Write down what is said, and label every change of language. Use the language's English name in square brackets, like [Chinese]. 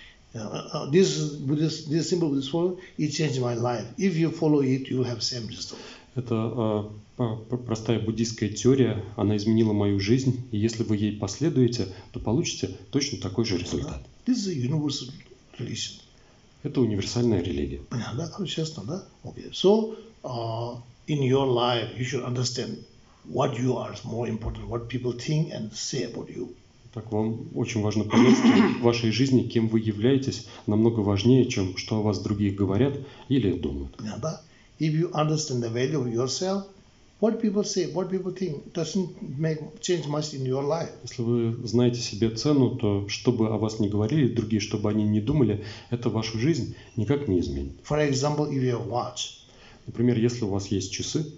[English] This simple Buddhist philosophy, it changed my life. If you follow it, you will have same result. [Russian] Это простая буддийская теория. Она изменила мою жизнь. И если вы ей последуете, то получите точно такой же результат. [English] This is a universal religion. [Russian] Это универсальная религия. Понятно, да? Короче, честно, да? Okay. [English] So, in your life, you should understand what you are more important, what people think and say about you. [Russian] Так вам очень важно понять, что в вашей жизни, кем вы являетесь, намного важнее, чем что о вас другие говорят или думают. Понятно, да? [English] If you understand the value of yourself, what people say, what people think, doesn't make change much in your life. [Russian] Если вы знаете себе цену, то чтобы о вас не говорили другие, чтобы они не думали, это вашу жизнь никак не изменит. [English] For example, if you have watch. [Russian] Например, если у вас есть часы.